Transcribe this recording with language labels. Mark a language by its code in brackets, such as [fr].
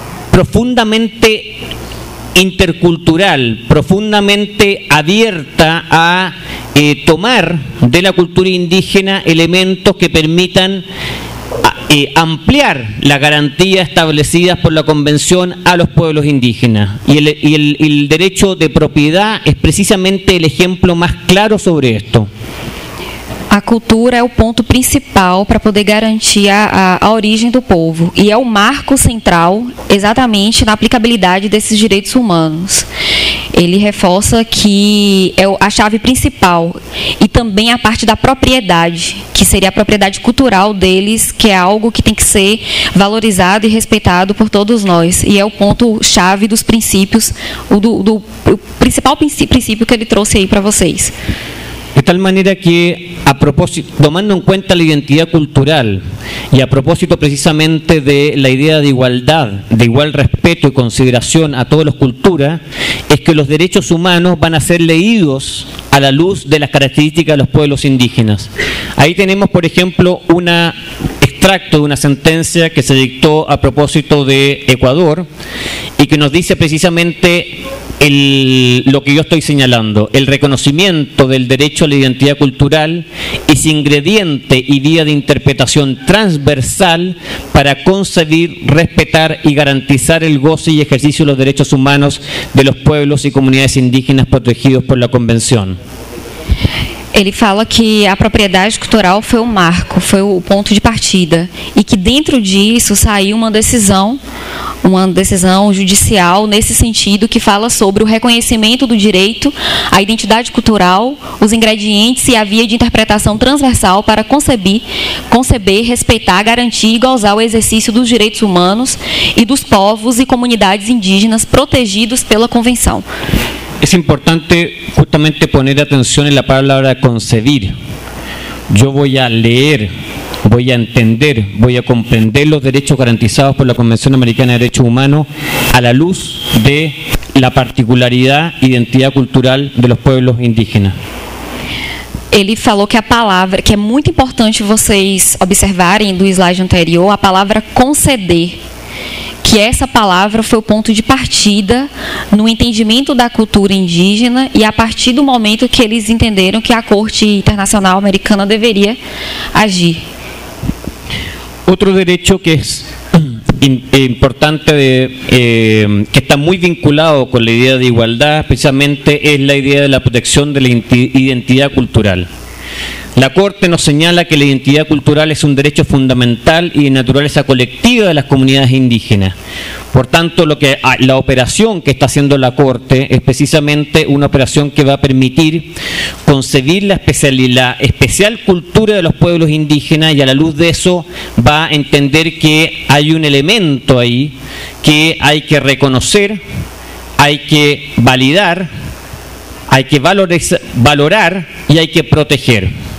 [es] profundamente intercultural, profundamente abierta a tomar de la cultura indígena elementos que permitan ampliar las garantías establecidas por la Convención a los pueblos indígenas. Y el derecho de propiedad es precisamente el ejemplo más claro sobre esto. [pt] A cultura é o ponto principal para poder garantir a origem do povo e é o marco central exatamente na aplicabilidade desses direitos humanos. Ele reforça que é a chave principal e também a parte da propriedade, que seria a propriedade cultural deles, que é algo que tem que ser valorizado e respeitado por todos nós. E é o ponto chave dos princípios, o principal princípio que ele trouxe aí para vocês. [es] De tal manera que, a propósito, tomando en cuenta la identidad cultural y a propósito precisamente de la idea de igualdad, de igual respeto y consideración a todas las culturas, es que los derechos humanos van a ser leídos a la luz de las características de los pueblos indígenas. Ahí tenemos, por ejemplo, un extracto de una sentencia que se dictó a propósito de Ecuador y que nos dice precisamente lo que yo estoy señalando: el reconocimiento del derecho a la identidad cultural es ingrediente y vía de interpretación transversal para concebir, respetar y garantizar el goce y ejercicio de los derechos humanos de los pueblos y comunidades indígenas protegidos por la Convención. [pt] Ele fala que a propriedade cultural foi o marco, foi o ponto de partida, e que dentro disso saiu uma decisão uma decisão judicial nesse sentido, que fala sobre o reconhecimento do direito à identidade cultural, os ingredientes e a via de interpretação transversal para conceber, respeitar, garantir e gozar o exercício dos direitos humanos e dos povos e comunidades indígenas protegidos pela Convenção. [es] É importante justamente poner atención en la palabra concebir. Yo voy a leer, voy a entender, voy a comprender los derechos garantizados por la Convención Americana de Derechos Humanos a la luz de la particularidad, identidad cultural de los pueblos indígenas. [pt] Ele falou que a palavra, que é muito importante vocês observarem do slide anterior, a palavra conceder, que essa palavra foi o ponto de partida no entendimento da cultura indígena e a partir do momento que eles entenderam que a Corte Internacional Americana deveria agir. Outro direito que é importante, que está muito vinculado com a ideia de igualdade, precisamente é a ideia da proteção da identidade cultural. [es] La Corte nos señala que la identidad cultural es un derecho fundamental y de naturaleza colectiva de las comunidades indígenas. Por tanto, la operación que está haciendo la Corte es precisamente una operación que va a permitir concebir la especial cultura de los pueblos indígenas y a la luz de eso va a entender que hay un elemento ahí que hay que reconocer, hay que validar, hay que valorar y hay que proteger.